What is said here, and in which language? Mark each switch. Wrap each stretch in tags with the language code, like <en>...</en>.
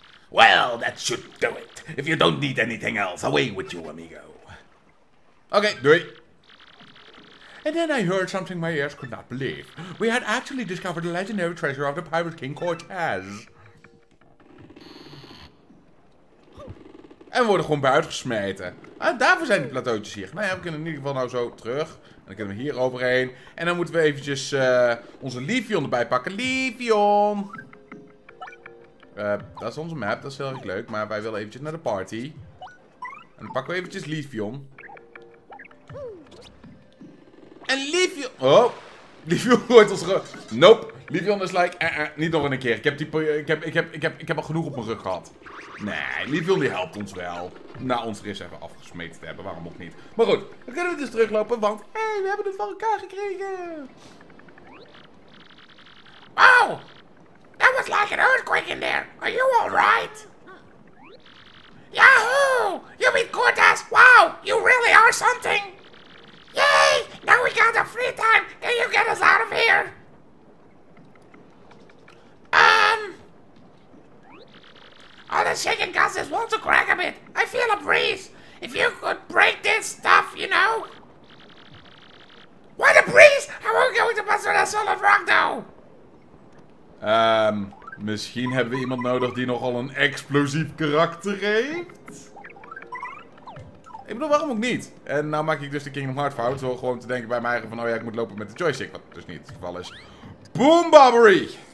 <en>Well, that should do it. If you don't need anything else, away with you, amigo. Okay, do it. And then I heard something my ears could not believe. We had actually discovered the legendary treasure of the Pirate King Cortez.</en> <nl>En we worden gewoon buiten gesmeten. Ah, daarvoor zijn die plateautjes hier. Nou ja, we kunnen in ieder geval nou zo terug. En dan kunnen we hier overheen. En dan moeten we eventjes onze Leafeon erbij pakken. Leafeon! Dat is onze map, dat is heel erg leuk. Maar wij willen eventjes naar de party. En dan pakken we eventjes Leafeon. En Leafeon... Oh, Leafeon hoort ons rug.</nl> <en>Nope, Leafeon is like,</en> <nl>niet nog een keer. Ik heb al genoeg op mijn rug gehad. Nee, Leafeon die helpt ons wel. Na ons ris even afgesmeten te hebben, waarom ook niet. Maar goed, dan kunnen we dus teruglopen, want... Hé, hey, we hebben het van elkaar gekregen.</nl> <en>Wow, that was like an earthquake in there. Are you alright? Yahoo, you beat Cortez. Wow, you really are something. Yay! Now we got the free time! Can you get us out of here? All this shaking causes walls to crack a bit. I feel a breeze. If you could break this stuff, you know? What a breeze! How are we going to pass through that solid rock, though?</en> <nl>Misschien hebben we iemand nodig die nogal een explosief karakter heeft? Ik bedoel, waarom ook niet? En nou maak ik dus de Kingdom Hearts fout door gewoon te denken bij mij eigen van... Oh ja, ik moet lopen met de joystick, wat dus niet het geval is.</nl> <en>Boom Bobbery!</en>